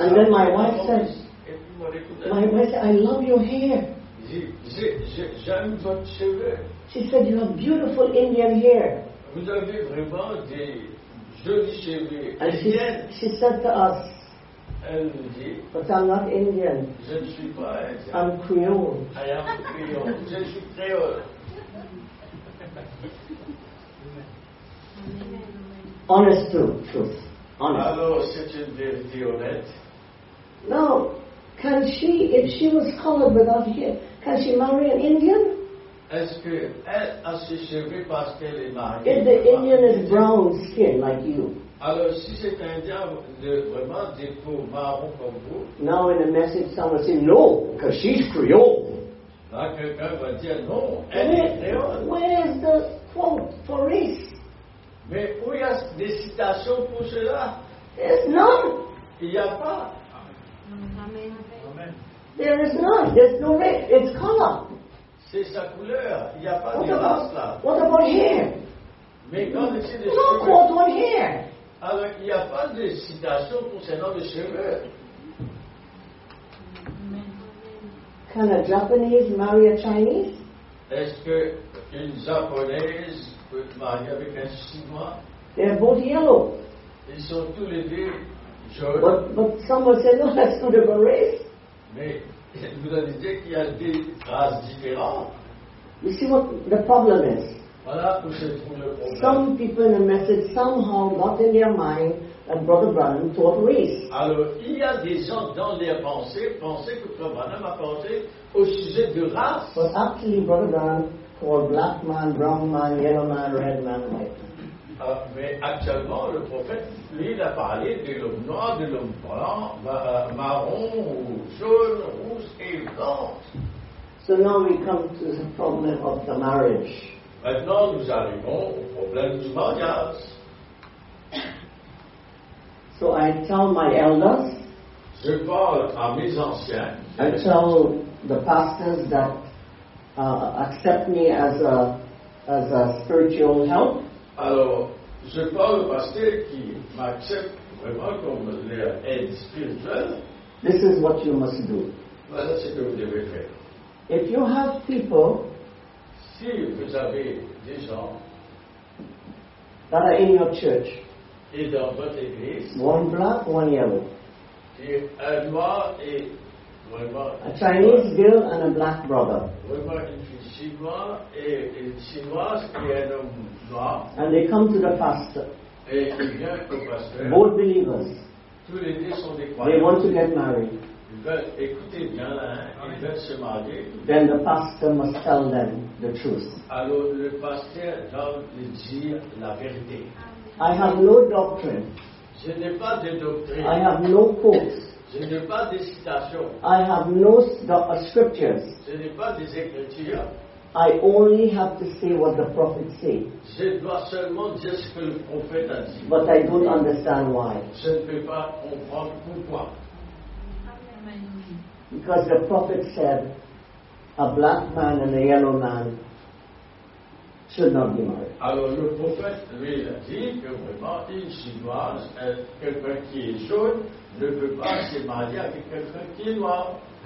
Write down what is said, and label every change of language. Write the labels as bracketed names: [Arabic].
[English] And then my wife said, I love your hair. [French] J'aime votre cheveux. [English] She said, you have beautiful Indian hair. [French] Vous avez vraiment des jolis cheveux. [English] And she said to us, [French] elle nous dit, [English] but I'm not Indian. [French] Je ne suis pas Indien. [English] I'm Creole. I am Creole. [French] Je suis Creole. [English] Honest truth. Honest. [French] Alors, c'est une vérité honnête. [English] Now, can she, if she was colored without hair, can she marry an Indian? [French] Est-ce que elle a ses cheveux parce qu'elle est mariée? [English] If the Indian is brown skin like you. [French] Alors si c'est un Indien de vraiment des peaux marron comme vous. [English] Now in the message someone says no, because she's Creole. [French] Là quelqu'un va dire non, elle est Creole. [English] Where is the quote for race? [French] Mais où y a des citations pour cela? [English] There's none. [French] Il y a pas. [English] Amen. There is none. There's no race. It's color. [French] C'est sa couleur. Il n'y a pas de race là. [English] What about hair? [French] Mais quand c'est des [English] cheveux. No quote on hair. [French] Alors il n'y a pas de citation concernant les cheveux. [English] Can a Japanese marry a Chinese? [French] Est-ce qu'une Japonaise peut marier avec un Chinois? [English] They're both yellow. [French] Ils sont tous les deux jaunes. [English] But someone said no, that's not a good race. [French] Mais vous avez dit qu'il y a des races différentes. [English] You see what the problem is. [French] Voilà où se trouve le problème. [English] Some people in the message somehow got in their mind that Brother Branham taught race. [French] Alors, il y a des gens dans leur pensée, pensaient que Brother Branham a pensé au sujet de race. [English] But actually, Brother Branham called black man, brown man, yellow man, red man, white man. [French] Mais actuellement, le prophète, lui, il a parlé de l'homme noir, de l'homme blanc, marron, jaune, rouge et blanc. [English] So now we come to the problem of the marriage. [French] Maintenant, nous arrivons au problème du mariage. [English] So I tell my elders. [French] Je parle à mes anciens. [English] I tell the pastors that accept me as a spiritual help. [French] Alors, je parle aux pasteurs qui m'acceptent vraiment comme leur aide spirituelle. [English] This is what you must do. [French] Voilà ce que vous devez faire. [English] If you have people, [French] si vous avez des gens [English] that are in your church, [French] et dans votre église, [English] one black, one yellow, [French] et un noir et vraiment [English] a Chinese girl and a black brother, [French] vraiment une fille chinoise et chinoise et un homme noir, [English] and they come to the pastor, [French] et ils viennent au pasteur, [English] both believers, [French] Tous les deux sont des [English] croyants. They want to get married. [French] Ils veulent écouter bien, hein, ils veulent se marier. [English] Then the pastor must tell them the truth. [French] Alors le pasteur doit leur dire la vérité. [English] I have no doctrine. [French] Je n'ai pas de doctrine. [English] I have no quotes. [French] Je n'ai pas de citations. [English] I have no scriptures. [French] Je n'ai pas des écritures. [English] I only have to say what the prophet said. [French] Je dois seulement dire ce que le prophète a dit. [English] But I don't understand why. [French] Je ne peux pas comprendre pourquoi. [English] Because the prophet said, a black man and a yellow man should not be married. [French] Alors le prophète lui a dit que vraiment une chinoise et quelqu'un qui est jaune ne peut pas se marier avec quelqu'un qui est noir.